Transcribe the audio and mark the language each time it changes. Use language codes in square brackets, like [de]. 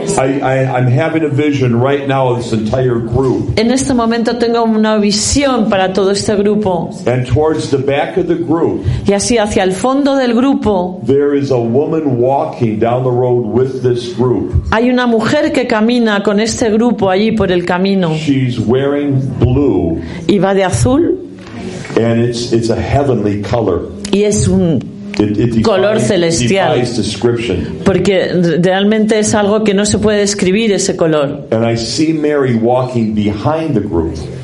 [en] I'm having a vision right now of this entire group. [es] En este momento tengo una visión para todo este grupo. [en] And towards the back of the group. [es] Y así hacia el fondo del grupo. [en] There is a woman walking down the road with this group. [es] Hay una mujer que camina con este grupo allí por el camino. [en] She's wearing blue. [es] Y va de azul. [en] And it's a heavenly color. [es] Y es un color celestial. [en] Defies description. [es] Porque realmente es algo que no se puede describir ese color. [en] And I see Mary walking behind the group.